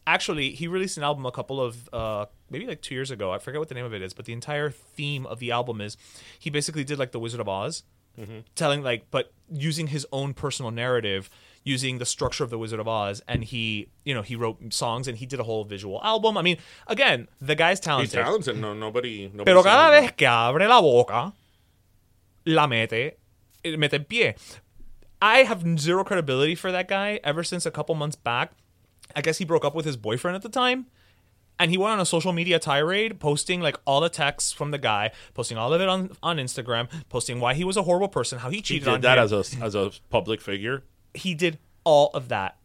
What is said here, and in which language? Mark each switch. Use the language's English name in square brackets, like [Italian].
[English] Actually, he released an album a couple of, maybe like 2 years ago. I forget what the name of it is, but the entire theme of the album is he basically did like The Wizard of Oz, telling like, but using his own personal narrative, using the structure of The Wizard of Oz. And he, you know, he wrote songs and he did a whole visual album. I mean, again, the guy's talented. He's talented. No, nobody. [Spanish] Pero cada vez que abre la boca, la mete, mete en pie. [English] I have zero credibility for that guy ever since a couple months back. I guess he broke up with his boyfriend at the time. And he went on a social media tirade, posting like all the texts from the guy, posting all of it on Instagram, posting why he was a horrible person, how he cheated on him. He did that as a public figure. He did all of that.